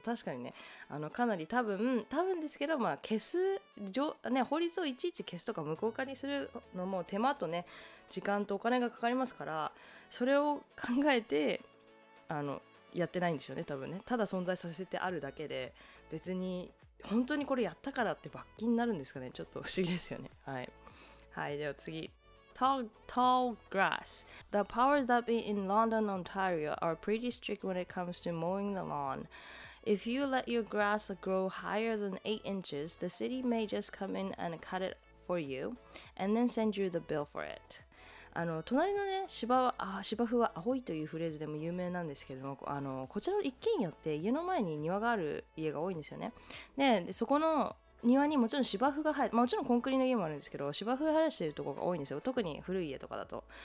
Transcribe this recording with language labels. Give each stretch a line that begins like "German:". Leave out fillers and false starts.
Japanese: 確かにね、かなり多分ですけど、まあ消す、ね、法律をいちいち消すとか無効化にするのも手間とね、時間とお金がかかりますから、それを考えてやってないんでしょうね、多分ね。ただ存在させてあるだけで、別に本当にこれやったからって罰金になるんですかね。ちょっと不思議ですよね。はい、はい、では次。
English: Tall grass. The powers that be in London, Ontario are pretty strict when it comes to mowing the lawn. If you let your grass grow higher than 8 inches, the city may just come in and cut it for you and then send you the bill for it.
Japanese: 隣のね、芝生は青いというフレーズでも有名なんですけども、こちらの一軒家って家の前に庭がある家が多いんですよね。でそこの庭にもちろん芝生が生え、まあ、もちろんコンクリの家もあるんですけど、芝生が生えしているところが多いんですよ、特に古い家とかだと。